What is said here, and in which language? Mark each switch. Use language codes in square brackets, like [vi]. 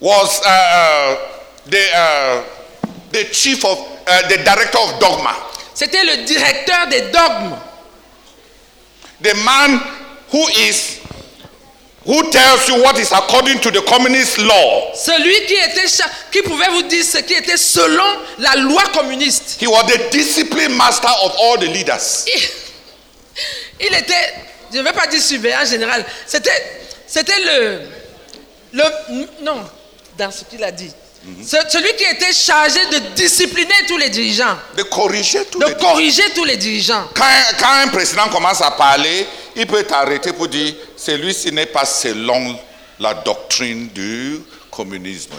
[en] Was the chief of the director of dogma. [fr] C'était le directeur des dogmes. [en] The man who tells you what is according to the communist law. [fr] Celui qui pouvait vous dire ce qui était selon la loi communiste. [en] He was the discipline master of all the leaders. [fr] Il était, je ne vais pas dire surveillant général, c'était le non, dans ce qu'il a dit. Mm-hmm. Celui qui était chargé de discipliner tous les dirigeants. De corriger tous les dirigeants. Quand un président commence à parler, il peut t'arrêter pour dire, celui-ci n'est pas selon la doctrine du communisme.